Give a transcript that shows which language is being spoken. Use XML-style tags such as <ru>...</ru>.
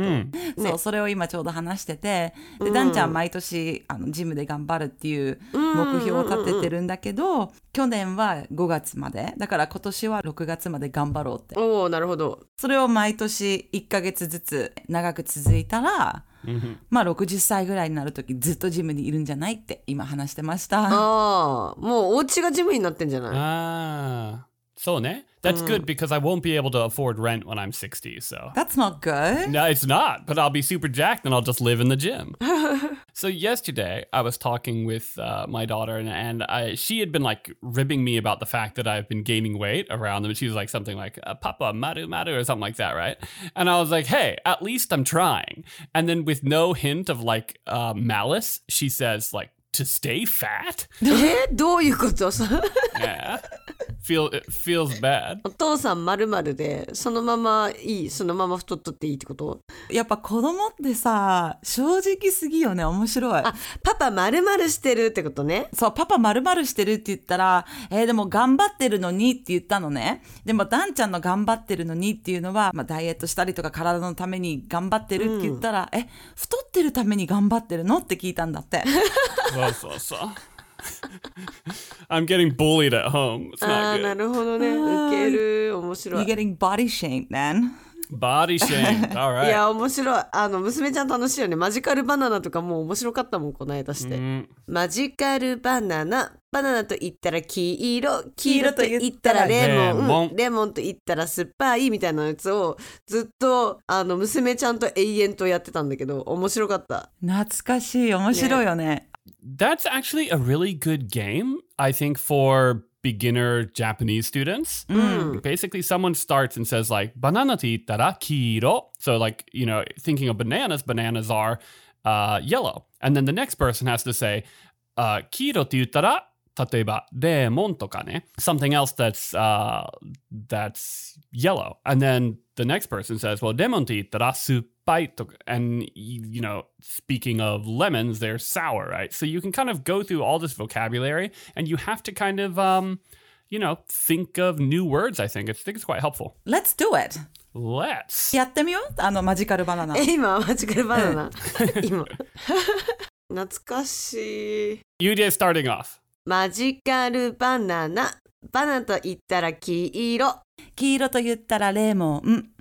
<ja>うん、そう、それを今ちょうど話してて、でダンちゃん毎年ジムで頑張るっていう目標を立ててるんだけど、去年は5月まで、だから今年は6月まで頑張ろうって。おお、なるほど。それを毎年1ヶ月ずつ長く続いたらまあ60歳ぐらいになるときずっとジムにいるんじゃないって今話してました。あ、もうお家がジムになってんじゃない。あ、そうね。</ja> <en>That's good because I won't be able to afford rent when I'm 60, so that's not good. No, it's not, but I'll be super jacked and I'll just live in the gym. So yesterday I was talking with my daughter and she had been like ribbing me about the fact that I've been gaining weight around them. She was like something like Papa</en> <ja>Maru Maru</ja> <en>or something like that, right? And I was like, hey, at least I'm trying. And then with no hint of like malice, she says like, to stay fat?</en> <ja>どういうこと?</ja> <en>Yeah. Feels bad.</en> <ja>お父さん丸丸でそのままいい、そのまま太っとっていいってこと? やっぱ子供ってさ、正直すぎよね。面白い。あ、パパ丸丸してるってことね。そう、パパ丸丸してるって言ったら、でも頑張ってるのにって言ったのね。でもダンちゃんの頑張ってるのにっていうのは、まあ、ダイエットしたりとか体のために頑張ってるって言ったら、うん、太ってるために頑張ってるのって聞いたんだって。そうそうそう。</ja> <en>I'm getting bullied at home. It's not good.</en> <ja>なるほどね。受ける。面白い。</ja> <en>You're getting body shamed, man. Body shamed. All right.</en> <ja>いや、面白い。あの、娘ちゃん楽しいよね。マジカルバナナとかもう面白かったもん、この間して。 Mm. マジカルバナナ。バナナと言ったら黄色。黄色と言ったらレモン。レモンと言ったら酸っぱいみたいなやつをずっと、あの、娘ちゃんと永遠とやってたんだけど、面白かった。懐かしい。面白いよね。</ja> <en>That's actually a really good game, I think, for beginner Japanese students. Mm. Basically, someone starts and says, like,</en> <ja>banana te ittara kiiro.</ja> <en>So, like, you know, thinking of bananas, bananas are yellow. And then the next person has to say,</en> <ja>kiiro te ittara, tateba, demon toka ne.</ja> <en>Something else that's yellow. And then the next person says, well,</en> <ja>demon te ittara</ja> <en>super. And, you know, speaking of lemons, they're sour, right? So you can kind of go through all this vocabulary and you have to kind of, you know, think of new words, I think. I think it's quite helpful. Let's do it. Let's.</en> <ja>やってみよう、あの、マジカルバナナ。え、今、マジカルバナナ。今。懐かしい。</ja> <en>UJ starting off.</en> <ja>マジカルバナナ。バナナと言ったら黄色。黄色と言ったらレモン。</ja>